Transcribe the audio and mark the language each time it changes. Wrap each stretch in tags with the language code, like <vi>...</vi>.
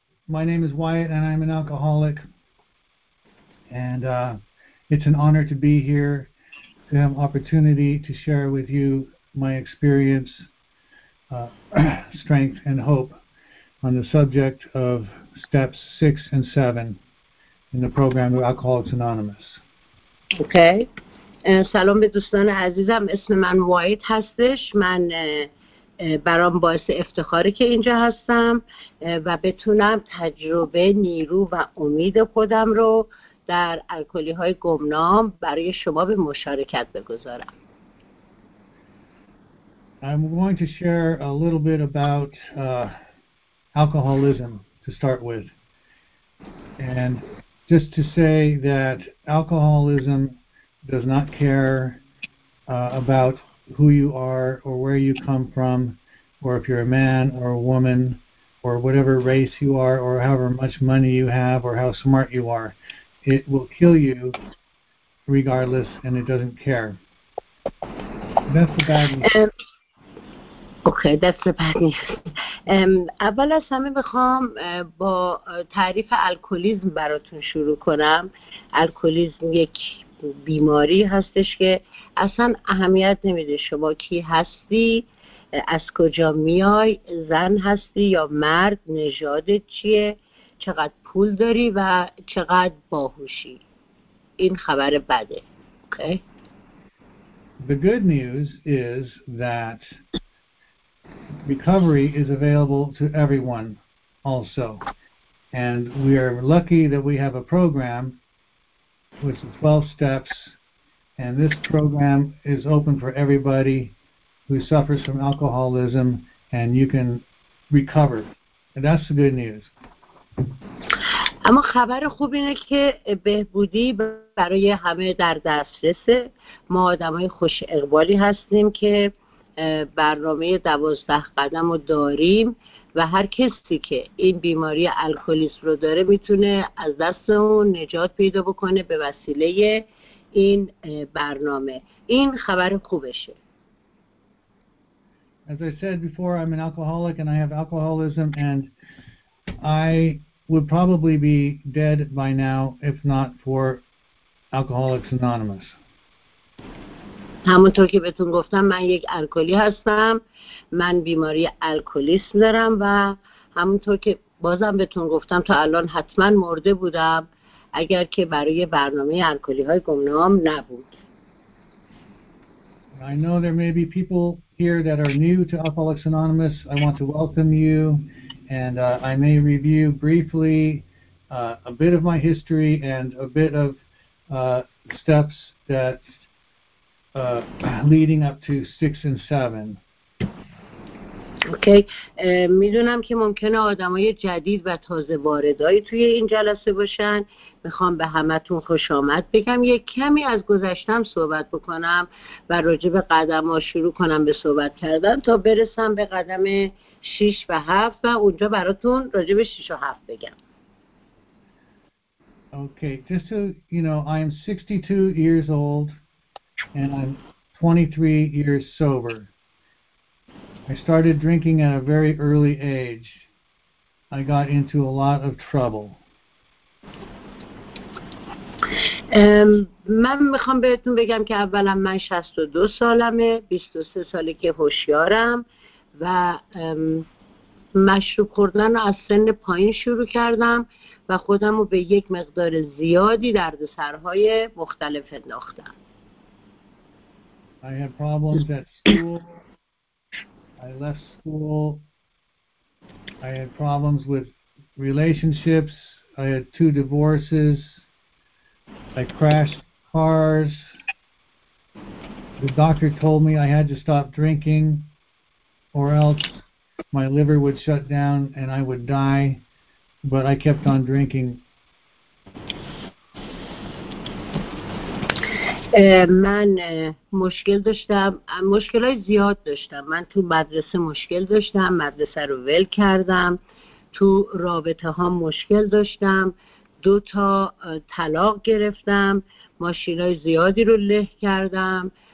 <en>My name is Wyatt, and I'm an alcoholic. And it's an honor to be here, to have opportunity to share with you my experience, strength, and hope on the subject of steps 6 and 7 in the program of Alcoholics Anonymous.</en> <fa>Okay. سلام به دوستان عزیزم. اسم من وایت هستش. من برام باعث افتخاره که اینجا هستم و بتونم تجربه، نیرو و امید خودم رو در الکلی های گمنام برای شما به مشارکت بگذارم.</fa> <en>I'm going to share a little bit about alcoholism to start with. And just to say that alcoholism does not care about who you are or where you come from or if you're a man or a woman or whatever race you are or however much money you have or how smart you are. It will kill you regardless, and it doesn't care. That's the bad news.</en> <fa>اوکی دست بپنی. اول از همه بخوام با تعریف الکلیزم براتون شروع کنم. الکلیزم یک بیماری هستش که اصلا اهمیت نمیده شما کی هستی، از کجا میای، زن هستی یا مرد، نژادت چیه، چقدر پول داری و چقدر باهوشی. این خبر بده. اوکی.</fa> <en>The good news is that recovery is available to everyone also. And we are lucky that we have a program with 12 steps. And this program is open for everybody who suffers from alcoholism, and you can recover. And that's the good news.</en> <fa>اما خبر خوب اینه که بهبودی برای همه در دسترسه. ما آدم های خوش اقبالی هستیم که برنامه 12 قدم رو داریم و هر کسی که این بیماری الکلیسم رو داره میتونه از دستمون نجات پیدا بکنه به وسیله این برنامه. این خبر خوبشه.</fa> <en>As I said before, I'm an alcoholic and I have alcoholism, and I would probably be dead by now if not for Alcoholics Anonymous.</en> <fa>همونطور که بهتون گفتم من یک الکلی هستم، من بیماری الکلیسم دارم و همونطور که بازم بهتون گفتم تا الان حتما مرده بودم اگر که برای برنامه الکلی های گمنام نبود.</fa> <en>I know there may be people here that are new to Alcoholics Anonymous. I want to welcome you, and I may review briefly a bit of my history and a bit of steps that leading up to 6 and 7.</en> <fa>اوکی میدونم که ممکنه آدمای جدید و تازه واردایی توی این جلسه باشن. میخوام به همتون خوش آمد بگم، یک کمی از گذشتم صحبت بکنم و راجع به قدم ها شروع کنم به صحبت کردن تا برسم به قدم 6 و 7 و اونجا براتون راجع به 6 و 7 بگم.</fa> <en>Okay, just so you know, I'm 62 years old and I'm 23 years sober. I started drinking at a very early age. I got into a lot of trouble.</en> <fa>من میخوام بهتون بگم که اولا من 62 سالمه، 23 ساله که هوشیارم و مشروب خوردن رو از سن پایین شروع کردم و خودم رو به یک مقدار زیادی دردسرهای مختلف انداختم.</fa> <en>I had problems at school. I left school. I had problems with relationships. I had two divorces. I crashed cars. The doctor told me I had to stop drinking or else my liver would shut down and I would die, but I kept on drinking.</en> <fa>من مشکل داشتم، مشکلای زیاد داشتم. من تو مدرسه مشکل داشتم، مدرسه رو ول کردم، تو رابطه ها مشکل داشتم، دو تا طلاق گرفتم، ماشینای زیادی رو له کردم.</fa>